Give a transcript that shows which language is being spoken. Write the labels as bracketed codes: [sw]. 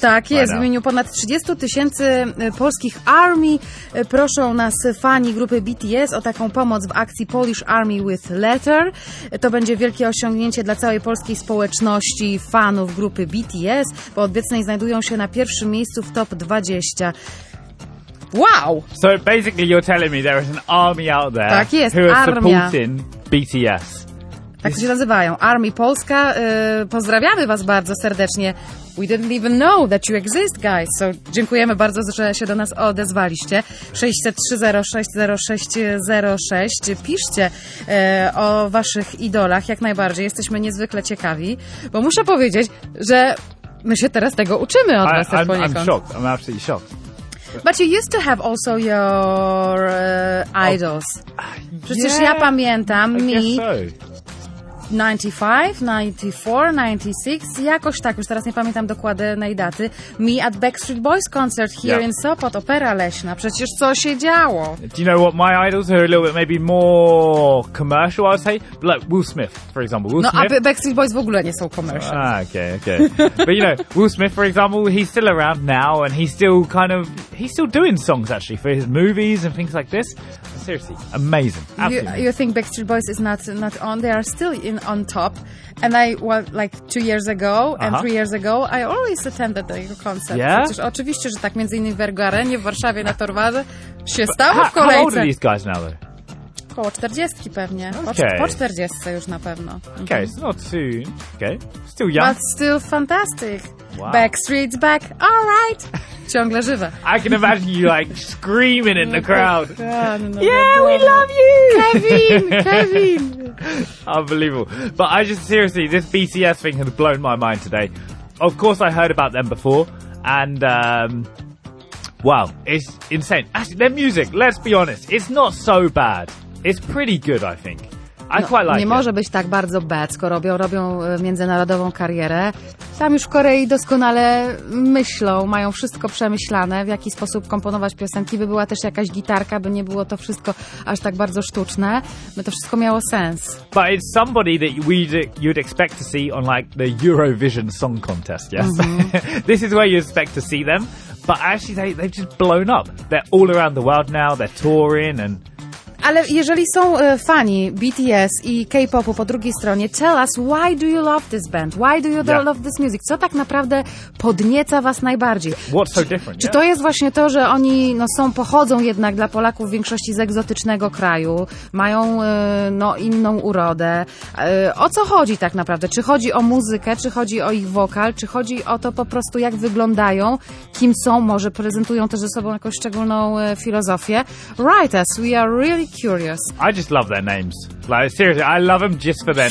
[pl] Tak jest, [en] right, [pl] w imieniu ponad 30 tysięcy polskich ARMY proszą nas fani grupy BTS o taką pomoc w akcji Polish Army with Letter. To będzie wielkie osiągnięcie dla całej polskiej społeczności fanów grupy BTS, bo obecnie znajdują się na pierwszym miejscu w top 20. [en] Wow! So basically you're telling me there is an army out there, [pl] tak jest, [en] who are [pl] armia. [en] Supporting BTS. [pl] Tak się nazywają. ARMY Polska. Pozdrawiamy was bardzo serdecznie. [en] We didn't even know that you exist, guys. [pl] So dziękujemy bardzo, że się do nas odezwaliście. 603-060-606. Piszcie o waszych idolach jak najbardziej. Jesteśmy niezwykle ciekawi. Bo muszę powiedzieć, że my się teraz tego uczymy od was też poniekąd. [en] I'm shocked. I'm absolutely shocked. But you used to have also your idols. [pl] Przecież [en] yeah, [pl] ja pamiętam, [en] I [pl] mi [en] guess so. [pl] 95, 94, 96, jakoś tak, już teraz nie pamiętam dokładnej daty. [en] Me at Backstreet Boys concert here, yeah, in Sopot, Opera Leśna. [pl] Przecież co się działo? [en] Do you know what my idols are? A little bit maybe more commercial, I would say. Like Will Smith, for example. Will [pl] no, [en] Smith. [pl] A Backstreet Boys w ogóle nie są commercial. [en] Ah, okay, okay. But you know, Will Smith, for example, he's still around now and he's still kind of, he's still doing songs actually for his movies and things like this. Seriously, amazing. You think Backstreet Boys is not on? They are still in on top. And I, well, like 2 years ago and uh-huh, 3 years ago, I always attended their concert. Yeah? [pl] Przecież oczywiście, że tak, między innymi w Ergarenie, w Warszawie, na Torwarze się but stało w kolejce. [en] How old are these guys now, though? [pl] Około 40 pewnie. [en] Okay. [pl] Po 40 już na pewno. [en] Okay, it's not too... Okay, still young. But still fantastic. Wow. Backstreet's back. All right. [pl] Ciągle żywe. [en] I can imagine you like screaming in the crowd. God, yeah, we love you! Kevin! Unbelievable. But I just, seriously, this BTS thing has blown my mind today. Of course I heard about them before. And, wow, it's insane. Actually, their music, let's be honest, it's not so bad. It's pretty good, I think. I [pl] no, [en] quite like [pl] nie [en] it. [pl] Może być tak bardzo bad, skoro robią międzynarodową karierę. Tam już w Korei doskonale myślą, mają wszystko przemyślane, w jaki sposób komponować piosenki. By była też jakaś gitarka, by nie było to wszystko aż tak bardzo sztuczne. By to wszystko miało sens. [en] But it's somebody that you'd expect to see on like the Eurovision Song Contest, yes? Mm-hmm. This is where you expect to see them. But actually they've just blown up. They're all around the world now, they're touring and... [pl] Ale jeżeli są fani BTS i K-popu po drugiej stronie, [en] tell us, why do you love this band? Why do you yeah, love this music? [pl] Co tak naprawdę podnieca was najbardziej? [en] What's so different? [pl] Czy to jest właśnie to, że oni no, są, pochodzą jednak dla Polaków w większości z egzotycznego kraju, mają no, inną urodę? O co chodzi tak naprawdę? Czy chodzi o muzykę, czy chodzi o ich wokal, czy chodzi o to po prostu, jak wyglądają, kim są, może prezentują też ze sobą jakąś szczególną filozofię? [en] Write us, we are really curious. I just love their names. Like, seriously, I love them just for their